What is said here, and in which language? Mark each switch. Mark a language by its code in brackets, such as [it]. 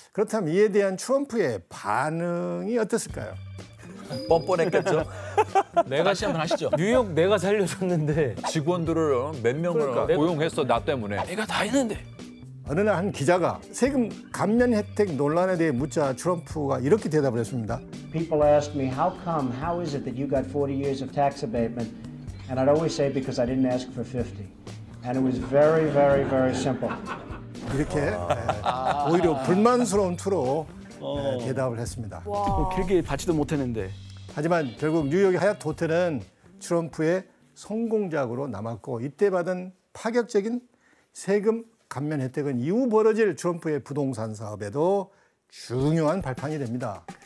[ko] 그렇다면 이에 대한 트럼프의 반응이 어땠을까요? 뻔뻔했겠죠. 내가 다시 한번 하시죠. 뉴욕 내가 살려줬는데 직원들을 몇 명을 그러니까. 고용했어 나 때문에. 내가 다 했는데. 어느 날 한 기자가 세금 감면 혜택 논란에 대해 묻자 트럼프가 이렇게 대답을 했습니다. [en] People ask me how come, how is it that you got 40 years of tax abatement, and I'd always say because I didn't ask for 50, and it was very, very, very simple. [ko] 이렇게 네, 오히려 불만스러운 투로. 네, 대답을 했습니다. 와. 길게 받지도 못했는데. 하지만 결국 뉴욕의 하얏 호텔은 트럼프의 성공작으로 남았고 이때 받은 파격적인 세금 감면 혜택은 이후 벌어질 트럼프의 부동산 사업에도 중요한 발판이 됩니다.